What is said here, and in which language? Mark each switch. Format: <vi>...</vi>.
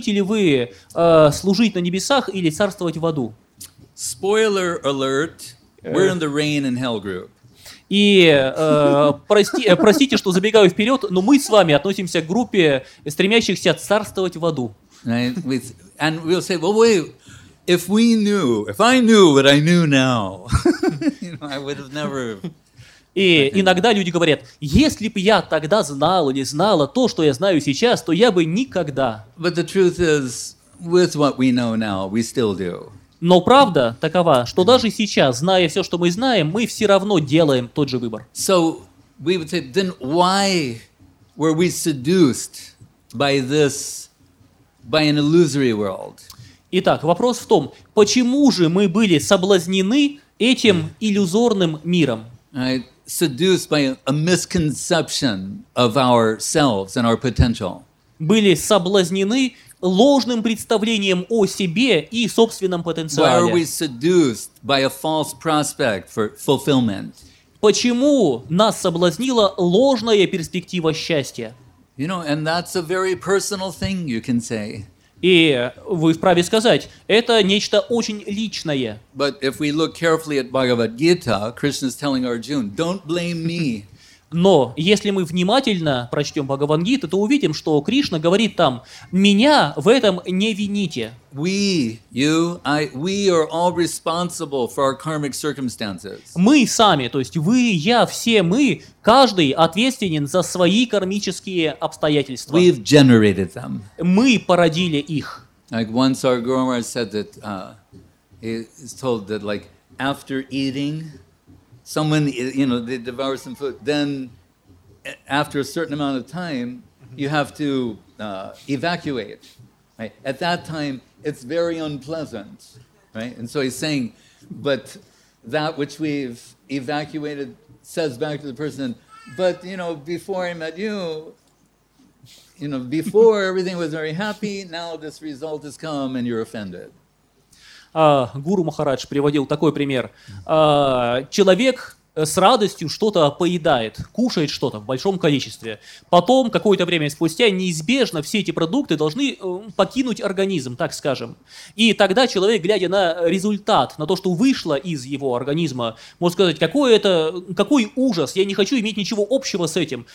<ru>Хотите ли вы служить на небесах или царствовать в аду?</ru> <en>Spoiler alert. We're in the rain and hell group.</en> <ru>И простите, что забегаю вперед, но мы с вами относимся к группе стремящихся царствовать в аду.</ru> <en>And we'll say, well, wait, if I knew what I knew now, I would have never...</en> <ru>И иногда люди говорят, если бы я тогда знал или знала то, что я знаю сейчас, то я бы никогда...</ru> <en>But the truth is, with what we know now, we still do.</en> <ru>Но правда такова, что даже сейчас, зная все, что мы знаем, мы все равно делаем тот же выбор.</ru> <en>So we would say, then why were we seduced by this, by an illusory world?</en> <ru>Итак, вопрос в том, почему же мы были соблазнены этим иллюзорным миром?</ru> <en>Seduced by a misconception of ourselves and our potential.</en> <ru>Были соблазнены ложным представлением о себе и собственном потенциале.</ru> <en>Why are we seduced by a false prospect for fulfillment?</en> <ru>Почему нас соблазнила ложная перспектива счастья?</ru> <en>You know, and that's a very personal thing, you can say.</en> <ru>И вы вправе сказать, это нечто очень личное.</ru> <en>But if we look carefully at Bhagavad Gita, Krishna's telling Arjuna, don't blame me.</en> <ru>Но если мы внимательно прочтем Бхагавангиту, то увидим, что Кришна говорит там, меня в этом не вините.</ru> <en>We, you, I, we are all responsible for our karmic circumstances.</en> <ru>Мы сами, то есть вы, я, все мы, каждый ответственен за свои кармические обстоятельства.</ru> <en>We've generated them.</en> <ru>Мы породили их.</ru> <en>Like once our Guru Maharaj said that, he is told that like after eating, someone, you know, they devour some food. Then, after a certain amount of time, you have to evacuate. Right? At that time, it's very unpleasant, right? And so he's saying, but that which we've evacuated says back to the person, but you know, before I met you, you know, before everything was very happy. Now this result has come, and you're offended.</en> <ru>Гуру Махарадж приводил такой пример. Человек с радостью что-то поедает, кушает что-то в большом количестве. Потом, какое-то время спустя, неизбежно все эти продукты должны покинуть организм, так скажем. И тогда человек, глядя на результат, на то, что вышло из его организма, может сказать, какой это, какой ужас, я не хочу иметь ничего общего с этим.</ru>